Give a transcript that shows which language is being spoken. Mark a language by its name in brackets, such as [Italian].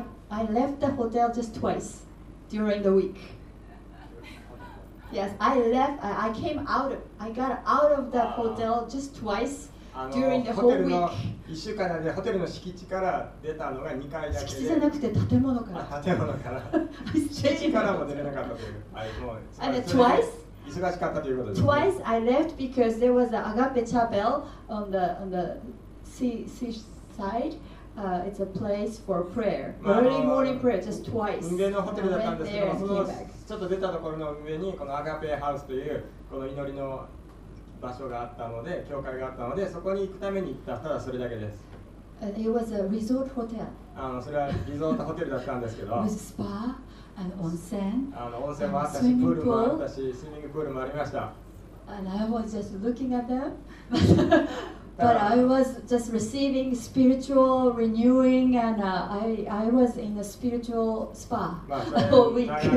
[English] I left the hotel just twice during the week. Yes, I left. I came out. I got out of the hotel just twice during the whole week. [Japanese] 一週間でホテルの敷地から出たのが2回だけで。敷地じゃなくて建物から。建物から。敷地からも出れなかったという。はい、もう。 [English] And twice. [Japanese] 忙しかったということです、ね。 [English] Twice I left because there was an Agape Chapel on the seaside. It's a place for prayer. Early morning prayer, just twice. [Japanese] 運営のホテルだったんですけど、その。ちょっと出たところの上にこのアガペハウスというこの祈りの場所があったので教会があったのでそこに行くために行ったただそれだけです。 [English] It was a resort hotel. [Japanese] それはリゾートホテルだったんですけど。 [English] With spa and 温泉。 [Japanese] 温泉もあったしプールもあったしスイミングプールもありました。 [English] And I was just looking at them. But I was just receiving spiritual renewing and I was in a spiritual spa all week.